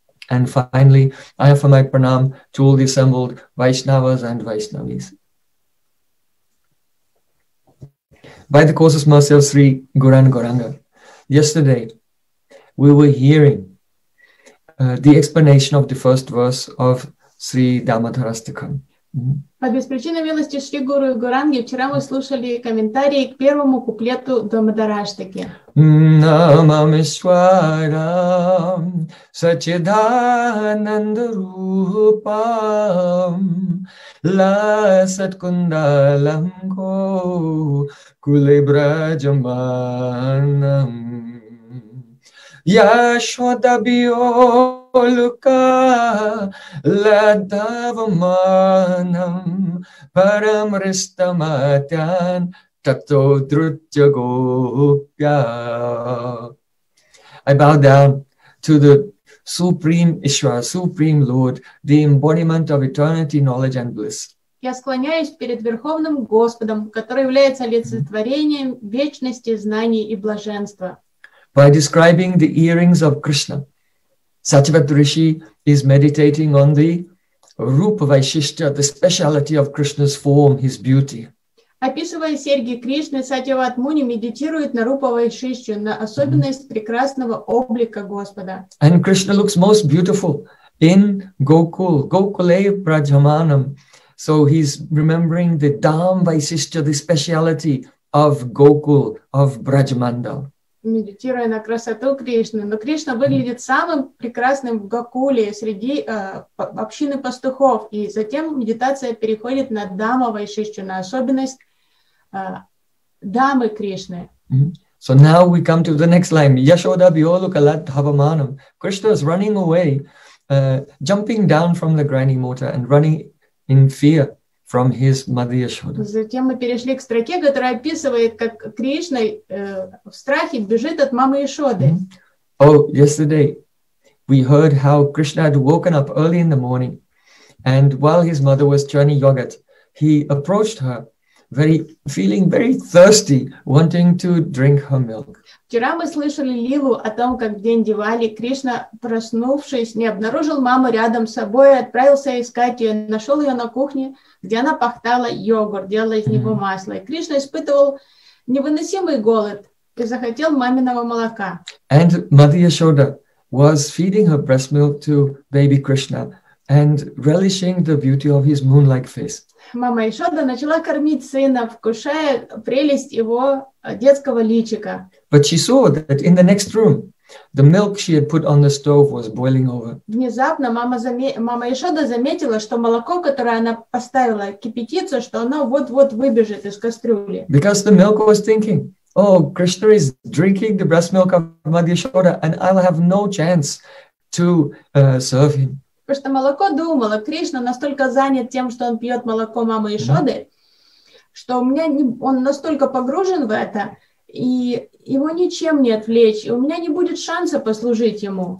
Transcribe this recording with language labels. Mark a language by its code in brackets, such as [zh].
[en] And finally, I offer my pranam to all the assembled Vaishnavas and Vaishnavis. By the course of mercy of Sri Gauranga Gauranga, yesterday we were hearing the explanation of the first verse of Sri Dhamma Tarastaka. [ru] По беспричинной милости Шри Гуру и Гуранги вчера мы слушали комментарии к первому куплету Дхамма Тараштаки. [sa] Намамишварам Сачидананда-рупам Ласаткундалам Ко Кулебраджаманам Яшвадабио Лука Ладаваманам Парам Ристаматян Тато Друджа Гопья. [en] I bow down to the Supreme Ishwar, Supreme Lord, the embodiment of eternity, knowledge and bliss. [ru] Я склоняюсь перед Верховным Господом, который является олицетворением вечности, знаний и блаженства. [en] By describing the earrings of Krishna, Satyavat Rishi is meditating on the Rupa Vaishishtya, the speciality of Krishna's form, his beauty. [ru] Описывая серьги Кришны, Сатьяват Муни медитирует на Рупа Вайшишчу, на особенность прекрасного облика Господа. [en] And Krishna looks most beautiful in Gokul, Gokule Prajamanam. So he's remembering the Dham Vaishishtya, the speciality of Gokul, of Brajamandal. [ru] Медитируя на красоту Кришны, но Кришна выглядит самым прекрасным в Гокуле среди общины пастухов, и затем медитация переходит на Дхамма Вайшишчу, на особенность Дхаммы Кришны. [en] So now we come to the next line. [sa] Yashoda Biyoluka Ladhavamanam. [en] Krishna is running away, jumping down from the granny mortar and running in fear from his Madhya Yashoda. [ru] Затем мы перешли к строке, которая описывает, как Кришна в страхе бежит от мамы Яшоды. [en] Oh, yesterday we heard how Krishna had woken up early in the morning, and while his mother was churning yogurt, he approached her, feeling very thirsty, wanting to drink her milk. [ru] Вчера мы слышали Лилу о том, как в день Дивали Кришна, проснувшись, не обнаружил маму рядом с собой, отправился искать ее, нашел ее на кухне, где она пахтала йогурт, делала из него масло. И Кришна испытывал невыносимый голод и захотел маминого молока. [en] And Madhya Yashoda was feeding her breast milk to baby Krishna and relishing the beauty of his moon-like face. [ru] Мама Яшода начала кормить сына, вкушая прелесть его детского личика. [en] But she saw that in the next room, the milk she had put on the stove was boiling over. [ru] Внезапно мама Яшода заметила, что молоко, которое она поставила кипятиться, что оно вот-вот выбежит из кастрюли. [en] Because the milk was thinking, oh, Krishna is drinking the breast milk of Madhya Yashoda, and I'll have no chance to serve him. [ru] Потому что молоко думало, Кришна настолько занят тем, что он пьет молоко мамы Яшоды, что у меня не, он настолько погружен в это, и его ничем не отвлечь, и у меня не будет шанса послужить ему.